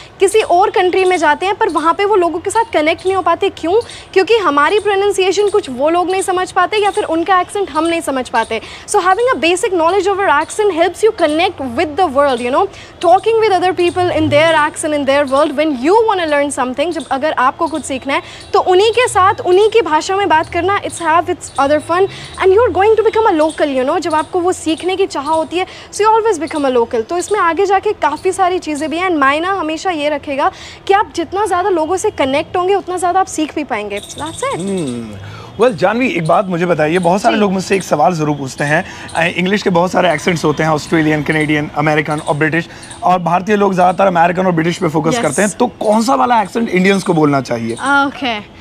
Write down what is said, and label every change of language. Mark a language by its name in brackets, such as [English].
[Hindi] किसी और कंट्री में जाते हैं पर वहाँ पे वो लोगों के साथ कनेक्ट नहीं हो पाते क्यों क्योंकि हमारी प्रोनंसिएशन कुछ वो लोग नहीं समझ पाते या फिर उनका एक्सेंट हम नहीं समझ पाते so having a basic knowledge of our accent helps you connect with the world you know talking with other people in their accent in their world when you want to learn something जब अगर आपको कुछ सीखना है तो उन्हीं के साथ उन्हीं की भाषा में बात करना it's have it's other [English] fun and you're going to become a local, you know, जब आपको वो सीखने की चाह होती है, so you always become a local. [Hindi] तो इसमें आगे जाके काफ़ी सारी चीज़ें भी हैं, एंड मायने हमेशा ये रखेगा कि आप जितना ज़्यादा लोगों से कनेक्ट होंगे उतना ज़्यादा आप सीख भी पाएंगे. [English] That's it. [Hindi] Well, जानवी, एक बात मुझे बताइए, बहुत सारे लोग मुझसे एक सवाल ज़रूर पूछते हैं. इंग्लिश के बहुत सारे एक्सेंट्स होते हैं, ऑस्ट्रेलियन, कैनेडियन, अमेरिकन और ब्रिटिश, और भारतीय लोग ज़्यादातर अमेरिकन और ब्रिटिश पे फोकस करते हैं, तो कौन सा वाला एक्सेंट इंडियंस को बोलना चाहिए?